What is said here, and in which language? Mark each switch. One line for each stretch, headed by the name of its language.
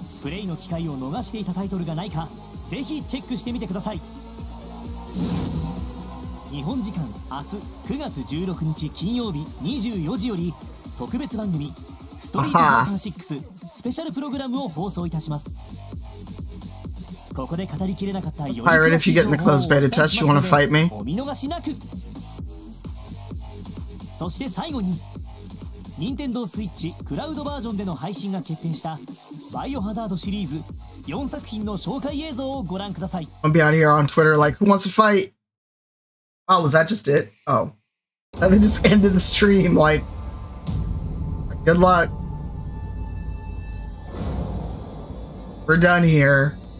Japanese: プレイの機会を逃していたタイトルがないか、ぜひチェックしてみてください。日本時間明日9月16日金曜日24時より特別番組ストリートファイター6スペシャルプログラムを放送いたします。ここで語りきれなかったよ。
English: Pirate, if you get in the closed beta test, you want to fight me?
Japanese: お見逃しなく。そして最後に、任天堂スイッチクラウドバージョンでの配信が決定したバイオハザードシリーズ4作品の紹介映像をご覧ください。
English: I'll be out here on Twitter like, who wants to fight? Oh, was that just it? Oh. That just ended the stream, like, good luck. We're done here.